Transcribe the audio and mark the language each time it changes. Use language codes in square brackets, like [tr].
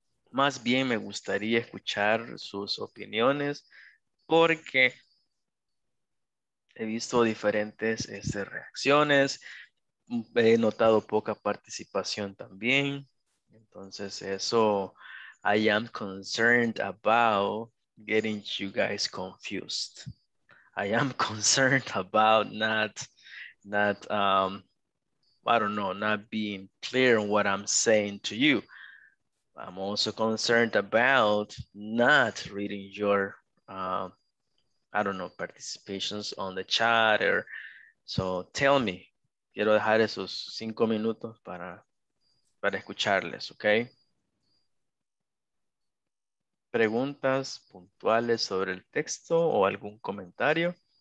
[es] Más bien me gustaría escuchar sus opiniones porque he visto diferentes reacciones. he notado poca participación también. Entonces eso, [en] I am concerned about getting you guys confused. I am concerned about not being clear on what I'm saying to you. I'm also concerned about not reading your, participations on the chat. So tell me, [es] quiero dejar esos 5 minutos para escucharles, okay? Preguntas puntuales sobre el texto o algún comentario.